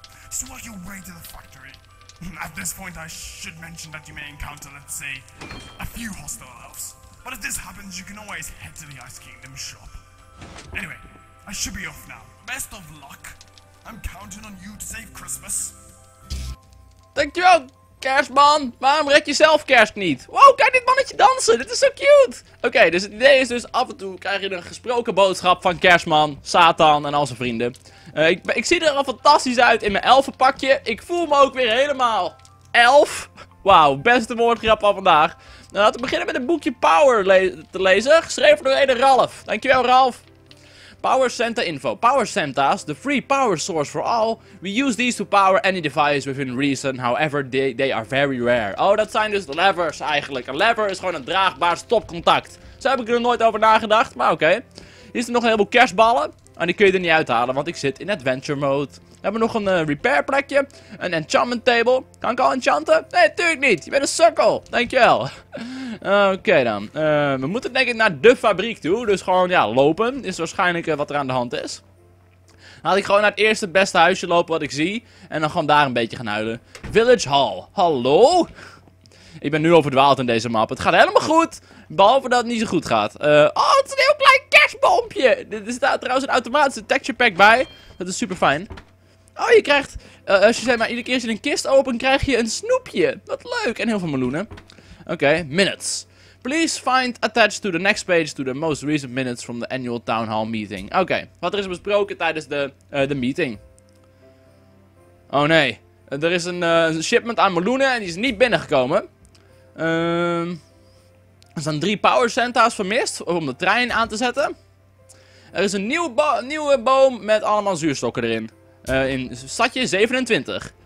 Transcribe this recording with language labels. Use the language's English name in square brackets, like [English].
[English] Just work your way to the factory. At this point, I should mention that you may encounter, let's say, a few hostile elves. But if this happens, you can always head to the Ice Kingdom shop. Anyway, I should be off now. Best of luck. I'm counting on you to save Christmas. Thank you, kerstman. [Dutch] Waarom red je zelf kerst niet? Wow, kijk dit mannetje dansen. Dit is zo cute. Oké, dus het idee is dus af en toe krijg je een gesproken boodschap van kerstman, Satan en al zijn vrienden. Ik zie er al fantastisch uit in mijn elfenpakje. Ik voel me ook weer helemaal elf. Wauw, beste woordgrap van vandaag. Nou, laten we beginnen met een boekje Power te lezen. Geschreven door Ede Ralf. Dankjewel, Ralf. Power Santa Info. [English] Power Santas, the free power source for all. We use these to power any device within reason, however they are very rare. [Dutch] Oh, dat zijn dus de levers eigenlijk. Een lever is gewoon een draagbaar stopcontact. Zo heb ik er nooit over nagedacht, maar oké. Hier zitten nog een heleboel kerstballen. En die kun je er niet uithalen, want ik zit in adventure mode. We hebben nog een repair plekje. Een enchantment table. Kan ik al enchanten? Nee, tuurlijk niet. Je bent een sukkel. Dankjewel. Oké, dan. We moeten denk ik naar de fabriek toe. Dus gewoon, ja, lopen is waarschijnlijk wat er aan de hand is. Dan had ik gewoon naar het eerste beste huisje lopen wat ik zie. En dan gewoon daar een beetje gaan huilen. Village Hall. Hallo? Ik ben nu al verdwaald in deze map. Het gaat helemaal goed. Behalve dat het niet zo goed gaat. Oh, het is een heel klein kerstbompje. Er staat trouwens een automatische texture pack bij. Dat is super fijn. Oh, je krijgt, als je zeg maar iedere keer als je een kist open, krijg je een snoepje. Wat leuk. En heel veel meloenen. Oké, minutes. [English] Please find attached to the next page to the most recent minutes from the annual town hall meeting. [Dutch] Oké, wat er is besproken tijdens de meeting. Oh nee, er is een shipment aan meloenen en die is niet binnengekomen. Er zijn 3 power centa's vermist om de trein aan te zetten. Er is een nieuwe boom met allemaal zuurstokken erin. In stadje 27.